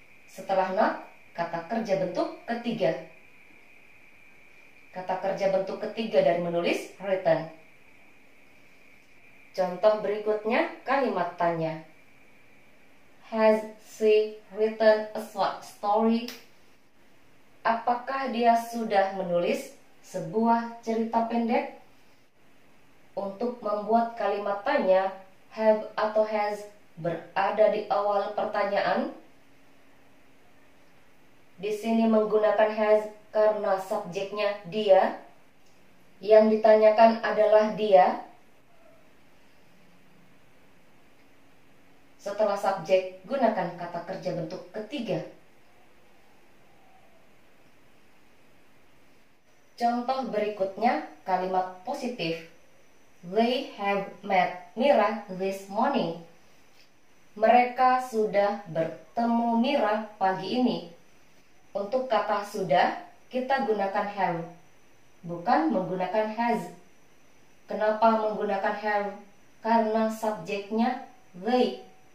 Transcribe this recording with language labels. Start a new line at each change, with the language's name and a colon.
Indonesian: Setelah not, kata kerja bentuk ketiga. Kata kerja bentuk ketiga dari menulis, written. Contoh berikutnya, kalimat tanya.
English: Has she written a short story?
Indonesian: Apakah dia sudah menulis sebuah cerita pendek? Untuk membuat kalimat tanya, have atau has berada di awal pertanyaan. Di sini menggunakan has karena subjeknya dia. Yang ditanyakan adalah dia. Setelah subjek, gunakan kata kerja bentuk ketiga. Contoh berikutnya, kalimat positif.
English: They have met Mira this morning.
Indonesian: Mereka sudah bertemu Mira pagi ini. Untuk kata sudah, kita gunakan have, bukan menggunakan has. Kenapa menggunakan have? Karena subjeknya they.